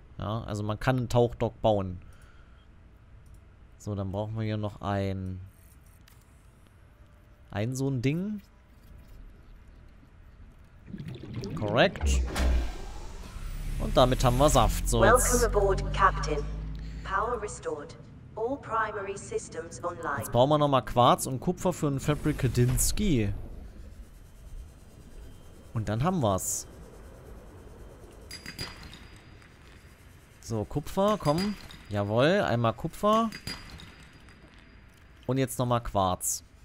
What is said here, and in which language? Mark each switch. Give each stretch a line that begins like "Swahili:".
German: Ja, also man kann ein Tauchdock bauen. So, dann brauchen wir hier noch ein so ein Ding. Korrekt. Und damit haben wir Saft. So, jetzt.
English: Welcome aboard, Captain. Power restored. All primary systems online.
German: Jetzt brauchen wir nochmal Quarz und Kupfer für einen Fabrikadinsky. Und dann haben wir's. So, Kupfer, komm. Jawohl, einmal Kupfer. Und jetzt nochmal Quarz.